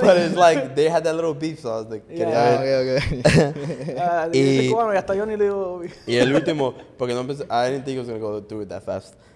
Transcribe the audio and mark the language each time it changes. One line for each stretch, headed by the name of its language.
English: But it's like they had that little beef, so I was like, yeah. Okay, okay.
Spanish: Yo soy cubano y hasta yo ni le digo. Y el último, porque no pensé,
English: I didn't think I was going to go through it that fast.